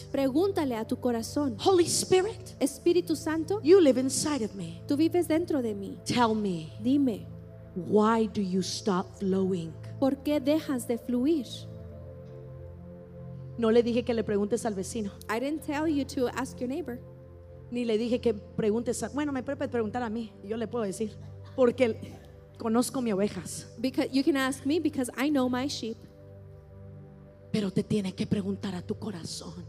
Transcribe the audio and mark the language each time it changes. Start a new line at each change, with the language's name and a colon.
Spanish: Pregúntale a tu corazón.
English: Holy Spirit.
Spanish: Espíritu Santo.
English: You live inside of me.
Spanish: Tú vives dentro de mí.
English: Tell me.
Spanish: Dime.
English: Why do you stop flowing?
Spanish: ¿Por qué dejas de fluir? No le dije que le preguntes al vecino.
English: I didn't tell you to ask your neighbor.
Spanish: Ni le dije que preguntes a, bueno, me puede preguntar a mí. Yo le puedo decir. Porque conozco mis ovejas.
English: Because you can ask me because I know my sheep.
Spanish: Pero te tienes que preguntar a tu corazón.